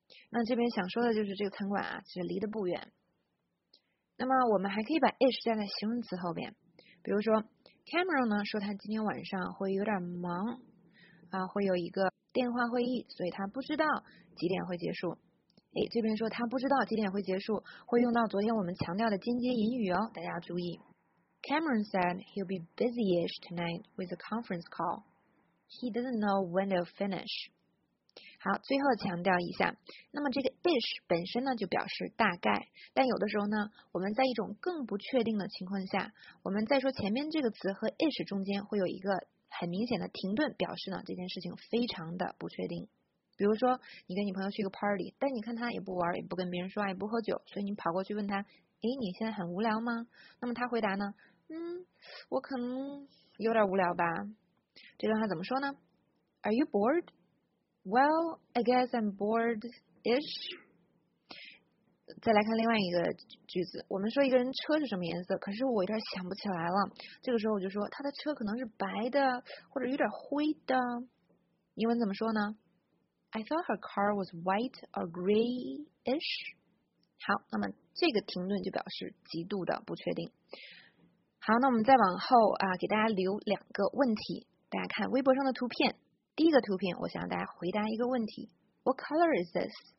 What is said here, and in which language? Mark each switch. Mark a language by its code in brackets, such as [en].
[zh] 那这边想说的就是这个餐馆啊，其实离得不远。那么我们还可以把 ish 加在形容词后边，比如说 Cameron 呢说他今天晚上会有点忙啊，会有一个电话会议，所以他不知道几点会结束。哎，这边说他不知道几点会结束，会用到昨天我们强调的间接引语哦，大家注意。 [en] Cameron said he'll be busy-ish tonight with a conference call. He doesn't know when they'll finish. [zh] 好，最后强调一下，那么这个 ish 本身呢就表示大概，但有的时候呢，我们在一种更不确定的情况下，我们在说前面这个词和 ish 中间会有一个很明显的停顿，表示呢这件事情非常的不确定。比如说你跟你朋友去个 party， 但你看他也不玩，也不跟别人说话，也不喝酒，所以你跑过去问他，诶，你现在很无聊吗？那么他回答呢，我可能有点无聊吧。这段话怎么说呢？ [en] Are you bored? Well, I guess I'm bored-ish. [zh] 再来看另外一个句子，我们说一个人车是什么颜色，可是我有点想不起来了，这个时候我就说他的车可能是白的或者有点灰的。英文怎么说呢？ [en] I thought her car was white or gray-ish. [zh] 好，那么这个停顿就表示极度的不确定。好，那我们再往后啊，给大家留两个问题。大家看微博上的图片，第一个图片，我想让大家回答一个问题 ： [en] What color is this？